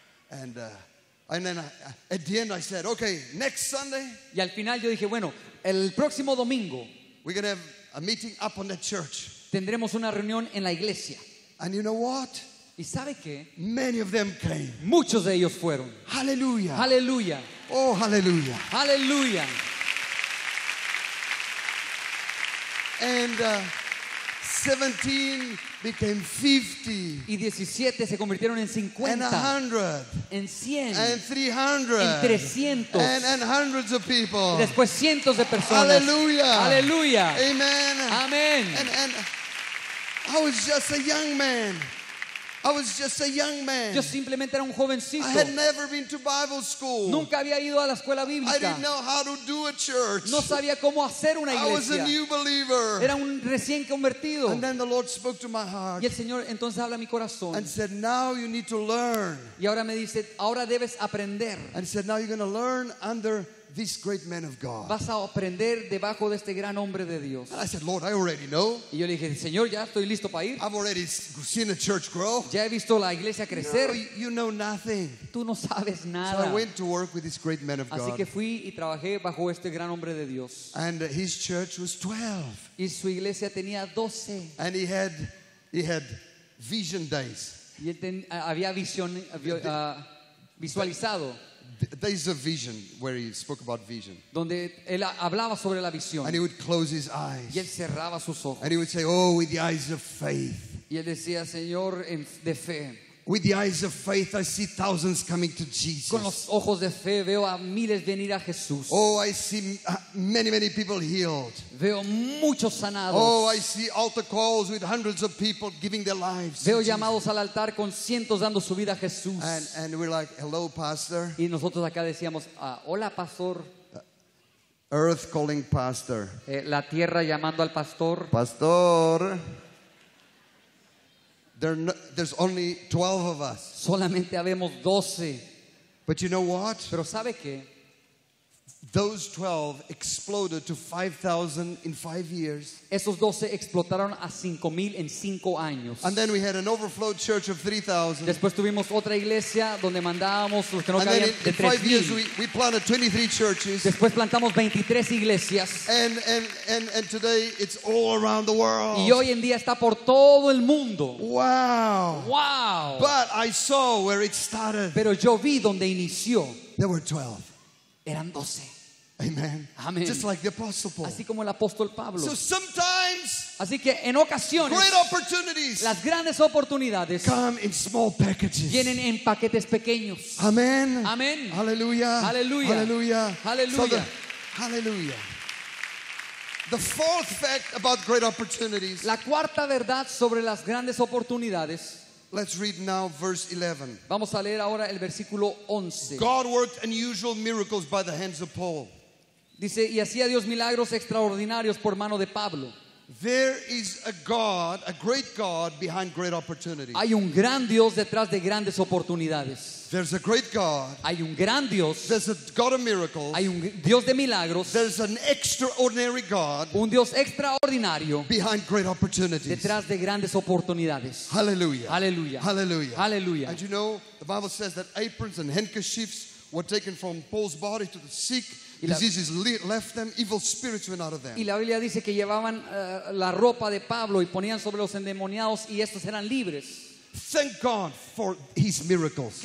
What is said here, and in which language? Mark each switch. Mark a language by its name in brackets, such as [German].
[English] And then at the end I said, okay, next Sunday. [Spanish] Y al final yo dije, bueno, el próximo domingo. [English] We're going to have a meeting up on the church. [Spanish] Tendremos una reunión en la iglesia. [English] And you know what? [Spanish] ¿Y sabe qué? [English] Many of them came. [Spanish] Muchos de ellos fueron. [English] Hallelujah. Hallelujah. Oh, hallelujah. Hallelujah. And 17 became 50. [Spanish] Y 17 se convirtieron en 50. [English] And 100. [Spanish] En 100. [English] And 300. [Spanish] En 300. [English] And hundreds of people. [Spanish] Y después cientos de personas. [English] Hallelujah. Hallelujah. Amen. Amen. And I was just a young man. I was just a young man. [Spanish] Yo simplemente era un jovencito. [English] I had never been to Bible school. [Spanish] Nunca había ido a la escuela bíblica. [English] I didn't know how to do a church. [Spanish] No sabía cómo hacer una iglesia. [English] I was a new believer. [Spanish] Era un recién convertido. [English] And then the Lord spoke to my heart. [Spanish] Y el Señor entonces habla a mi corazón. [English] And said, "Now you need to learn." [Spanish] Y ahora me dice, "Ahora debes aprender." [English] And said, "Now you're going to learn under this great man of God." [Spanish] Vas a aprender debajo de este gran hombre de Dios. [English] And I said, "Lord, I already know." [Spanish] Y yo le dije, "Señor, ya estoy listo para ir." [English] I've already seen the church grow. [Spanish] Ya he visto la iglesia crecer. [English] No, you know nothing. [Spanish] Tú no sabes nada. [English] So I went to work with this great man of God. [Spanish] Así que fui y trabajé bajo este gran hombre de Dios. [English] And his church was 12. [Spanish] Y su iglesia tenía 12. [English] And he had vision days. [Spanish] Y él había visión, visualizado. [English] Days of vision, where he spoke about vision. [Spanish] Donde él hablaba sobre la visión. [English] And he would close his eyes. [Spanish] Y él cerraba sus ojos. [English] And he would say, "Oh, with the eyes of faith." [Spanish] Y él decía, "Señor, de fe." [English] With the eyes of faith, I see thousands coming to Jesus. [Spanish] Con los ojos de fe veo a miles venir a Jesús. [English] Oh, I see many people healed. [Spanish] Veo muchos sanados. [English] Oh, I see altar calls with hundreds of people giving their lives. [Spanish] Veo llamados al altar con cientos dando su vida a Jesús. [English] And we're like, "Hello, pastor." [Spanish] Y nosotros acá decíamos, "Hola, pastor." [English] Earth calling pastor. [Spanish] La tierra llamando al pastor. Pastor. [English] There's only 12 of us. [Spanish] Solamente habemos 12. [English] But you know what? [Spanish] Pero sabe qué? [English] Those 12 exploded to 5,000 in 5 years. [Spanish] Esos 12 explotaron a 5,000 en 5 años. [English] And then we had an overflow church of 3,000. [Spanish] Después tuvimos otra iglesia donde mandábamos los que no cabían de 3,000. [English] And then in 5 years we planted 23 churches. [Spanish] Después plantamos 23 iglesias. [English] And today it's all around the world. [Spanish] Y hoy en día está por todo el mundo. [English] Wow. Wow. But I saw where it started. [Spanish] Pero yo vi donde inició. [English] There were 12. [Spanish] Eran 12. [English] Amen. Amen. Just like the apostle Paul. [Spanish] Así como el apóstol Pablo. [English] So sometimes, [Spanish] así que en ocasiones, [English] great opportunities, [Spanish] las grandes oportunidades, [English] come in small packages. [Spanish] Vienen en paquetes pequeños. [English] Amen. Amen. Hallelujah. Hallelujah. Hallelujah. Hallelujah. Hallelujah. The fourth fact about great opportunities. [Spanish] La cuarta verdad sobre las grandes oportunidades. [English] Let's read now verse 11. [Spanish] Vamos a leer ahora el versículo 11. [English] God worked unusual miracles by the hands of Paul. [Spanish] Dice, y hacía Dios milagros extraordinarios por mano de Pablo. [English] There is a God, a great God behind great opportunity. [Spanish] Hay un gran Dios detrás de grandes oportunidades. [English] There's a great God. [Spanish] Hay un gran Dios. [English] There's a God of miracles. [Spanish] Hay un Dios de milagros. [English] There's an extraordinary God. [Spanish] Un Dios extraordinario. [English] Behind great opportunities. [Spanish] Detrás de grandes oportunidades. [English] Hallelujah. Hallelujah. Hallelujah. Hallelujah. And you know, the Bible says that aprons and handkerchiefs were taken from Paul's body to the sick. Diseases left them. Evil spirits went out of them. [Spanish] Y la Biblia dice que llevaban la ropa de Pablo y ponían sobre los endemoniados y estos eran libres. [English] Thank God for his miracles.